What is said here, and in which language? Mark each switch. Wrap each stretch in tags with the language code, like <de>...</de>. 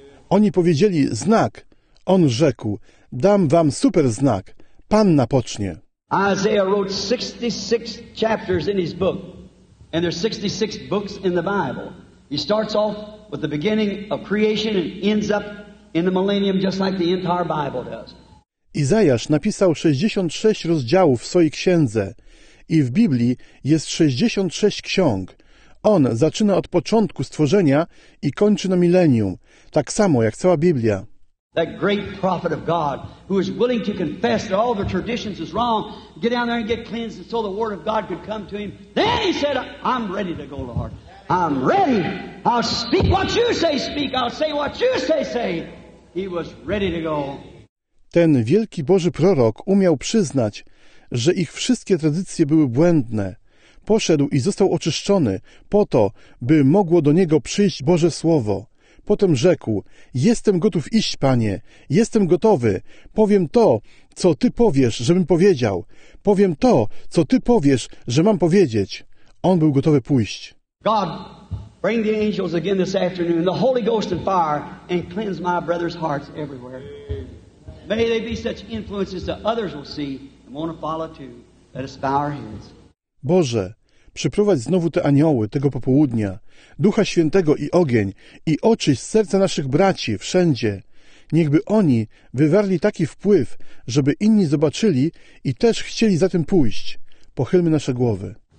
<pl>Oni powiedzieli: znak. On rzekł: dam wam super znak. Panna pocznie.</pl> <en>Isaiah wrote 66 chapters in his book, and there's 66 books in the Bible. He starts off with the beginning of creation and ends up in the millennium, just like the entire Bible does.</en> <pl>Izajasz napisał 66 rozdziałów w swojej księdze i w Biblii jest 66 ksiąg. On zaczyna od początku stworzenia i kończy na milenium, tak samo jak cała Biblia.</pl> <en>That great prophet of God who is willing to confess that all the traditions is wrong, get down there and get cleansed and so the word of God could come to him. Then he said, I'm ready to go, Lord. I'm ready. I'll speak what you say, speak. I'll say what you say, say. He was ready to go.</en> <pl>Ten wielki Boży prorok umiał przyznać, że ich wszystkie tradycje były błędne. Poszedł i został oczyszczony po to, by mogło do niego przyjść Boże Słowo. Potem rzekł: jestem gotów iść, Panie, jestem gotowy. Powiem to, co Ty powiesz, żebym powiedział. Powiem to, co Ty powiesz, że mam powiedzieć. On był gotowy pójść.</pl> <en>God, bring the angels again this afternoon, the Holy Ghost and fire, and cleanse my brothers' hearts everywhere. May they be such influences that others will see and want to follow too. Let us bow our heads.</en> <pl>Boże, przyprowadź znowu te anioły tego popołudnia, Ducha Świętego i ogień, i oczyść serca naszych braci wszędzie. Niechby oni wywarli taki wpływ, żeby inni zobaczyli i też chcieli za tym pójść. Pochylmy nasze głowy.</pl>